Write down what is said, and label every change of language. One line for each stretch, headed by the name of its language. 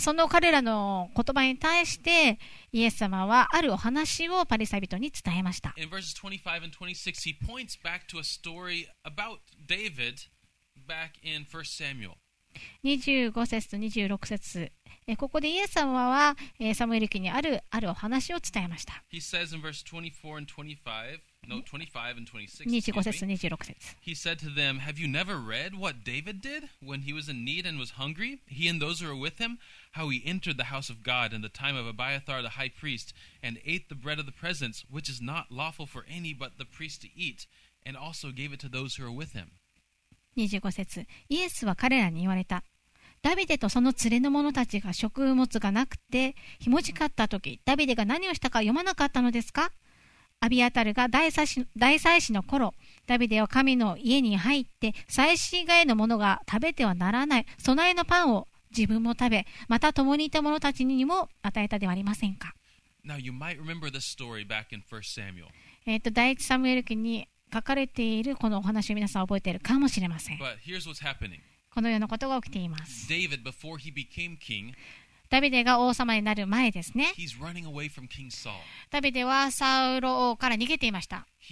Japanese: その彼らの言葉に対してイエス様はあるお話をパリサイ人に伝えました。
English: In verses 25 and 26 he points back to a story about David back in 1 Samuel.
Japanese: 25節と26節、ここでイエス様は、サムエル記にあるお話を伝えました。
English: He says in verse 24 and 25, no, 25 and 26,
Japanese: 25節と26節。
English: He said to them, Have you never read what David did when he was in need and was hungry? He and those who were with him, how he entered the house of God in the time of Abiathar the high priest and ate the bread of the presence, which is not lawful for any but the priest to eat, and also gave it to those who were with him.
Japanese: 25節、イエスは彼らに言われた。ダビデとその連れの者たちが食物がなくてひもじかった時、ダビデが何をしたか読まなかったのですか？アビアタルが大祭司の頃、ダビデは神の家に入って祭司以外のものが食べてはならない備えのパンを自分も食べ、また共にいた者たちにも与えたではありませんか。
English: Now you might remember this story back in 1 Samuel.
Japanese: 第一サムエル記に書かれているこのお話を皆さん覚えているかもしれません。このようなことが起きています。
English: David, before he became king,
Japanese: ダビデが王様になる前ですね、
English: he's running away from King Saul.
Japanese: ダビデはサウロ王から逃げていました。